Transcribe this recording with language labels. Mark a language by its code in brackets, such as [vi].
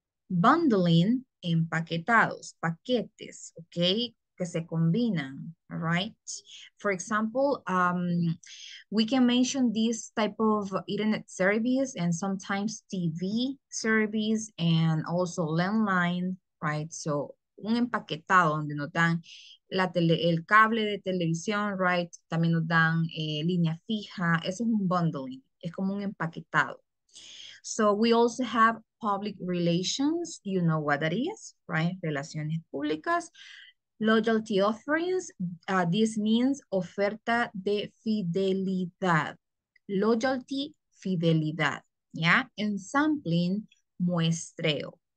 [es] Bundling, empaquetados, paquetes, okay, que se combinan, right? [en] For example, we can mention this type of internet service and sometimes TV service and also landline, right? [es] So, un empaquetado donde nos dan la tele, el cable de televisión, right? También nos dan línea fija. Eso es un bundling, es como un empaquetado. [en] So, we also have public relations, you know what that is, right? [es] Relaciones públicas. [en] Loyalty offerings, this means [es] oferta de fidelidad. [en] Loyalty, fidelidad, yeah? And sampling, muestreo.